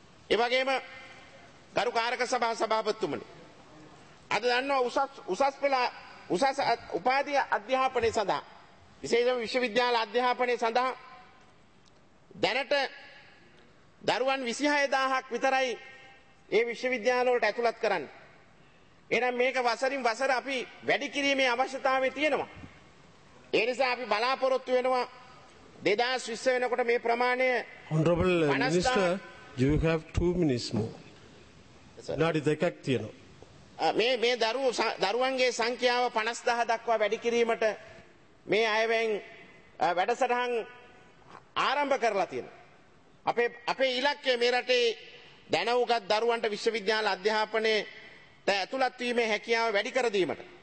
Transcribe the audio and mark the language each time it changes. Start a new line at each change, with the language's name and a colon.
Sinhala: ඒ වගේම ගරුකාරක සභා සභාපතිතුමනි, අද දන්නවා උසස් පෙළ උසස් උපාධි අධ්‍යාපනය සඳහා විශේෂයෙන්ම විශ්වවිද්‍යාල අධ්‍යාපනය සඳහා දැනට දරුවන් 26,000ක් විතරයි ඒ විශ්වවිද්‍යාලවලට ඇතුළත් කරන්නේ. එහෙනම් මේක වසරින් වසර අපි වැඩි කිරීමේ අවශ්‍යතාවය තියෙනවා. ඒ නිසා අපි බලාපොරොත්තු වෙනවා 2020 වෙනකොට මේ ප්‍රමාණය.
English: Honorable Minister, you have 2 minutes more.
Sinhala: නඩි දෙකක් තියෙනවා. මේ දරුවන්ගේ සංඛ්‍යාව 50,000 දක්වා වැඩි කිරීමට මේ අයවැයෙන් වැඩසටහන් ආරම්භ කරලා තියෙනවා. අපේ ඉලක්කය මේ රටේ දැනුගත් දරුවන්ට විශ්වවිද්‍යාල අධ්‍යාපනයට ඇතුළත් වීමේ හැකියාව වැඩි කර දීමට.